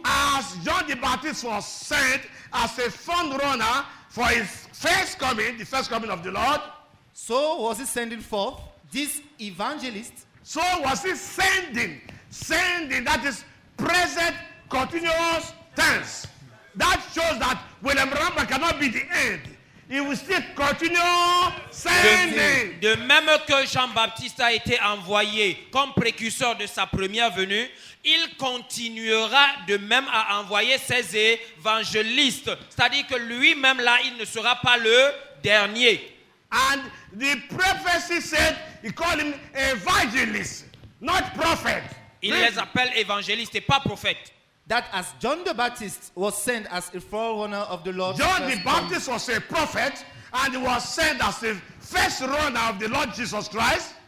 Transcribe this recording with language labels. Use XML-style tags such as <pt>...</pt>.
<en>As John the Baptist was sent as a forerunner for his first coming, the first coming of the Lord. So was he sending forth this evangelist. So was he sending? Sending, that is present continuous tense. That shows that William Branham cannot be the end. He will still continue sending.</en> <fr>De même que Jean-Baptiste a été envoyé comme précurseur de sa première venue, il continuera de même à envoyer ses évangélistes. C'est-à-dire que lui-même, là, il ne sera pas le dernier.</fr> <en>And the prophecy said, he called him evangelist, not prophet.</en> <fr>Il les appelle évangélistes et pas prophètes.</fr> <en>That as John the Baptist was sent as a forerunner of the Lord. John the Baptist was a prophet and he was sent as the first runner of the Lord Jesus Christ.</en>